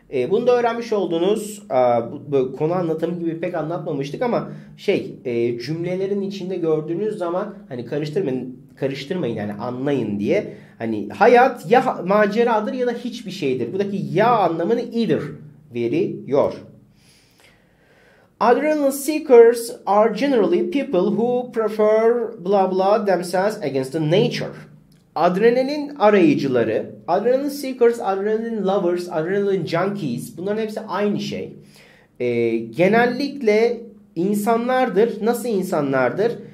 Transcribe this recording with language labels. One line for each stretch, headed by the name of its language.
Turkish: Bunu da öğrenmiş oldunuz. Konu anlatımı gibi pek anlatmamıştık ama cümlelerin içinde gördüğünüz zaman hani karıştırmayın yani anlayın diye. Hani hayat ya maceradır ya da hiçbir şeydir. Buradaki ya anlamını either veriyor.
English: Adrenaline seekers are generally people who prefer blah blah themselves against the nature.
Turkish: Adrenalin arayıcıları,
English: adrenaline seekers, adrenaline lovers, adrenaline junkies,
Turkish: bunların hepsi aynı şey. Genellikle insanlardır. Nasıl insanlardır?